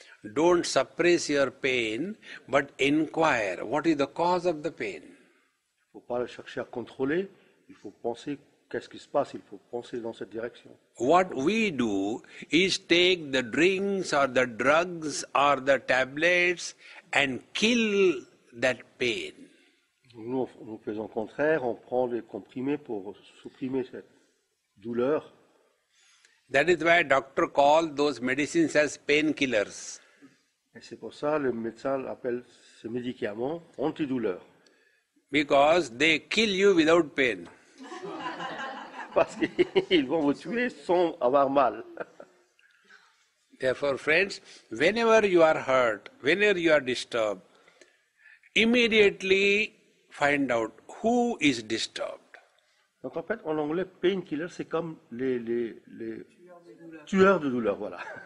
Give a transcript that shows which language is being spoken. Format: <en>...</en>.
<en>Don't suppress your pain, but inquire what is the cause of the pain.</en> <fr>Faut pas chercher à contrôler, il faut penser qu'est-ce qui se passe, il faut penser dans cette direction.</fr> <en>What we do is take the drinks or the drugs or the tablets and kill that pain.</en> <fr>Nous faisons le contraire, on prend les comprimés pour supprimer cette douleur.</fr> <en>That is why doctor call those medicines as painkillers.</en> <fr>Et c'est pour ça que le médecin appelle ce médicament antidouleur.</fr> <en>Because they kill you without pain.</en> <fr>Parce qu'ils vont vous tuer sans avoir mal.</fr> <en>Therefore, friends, whenever you are hurt, whenever you are disturbed, immediately find out who is disturbed.</en> <fr>Donc en fait, en anglais, painkiller, c'est comme les tueurs de douleur, voilà.</fr>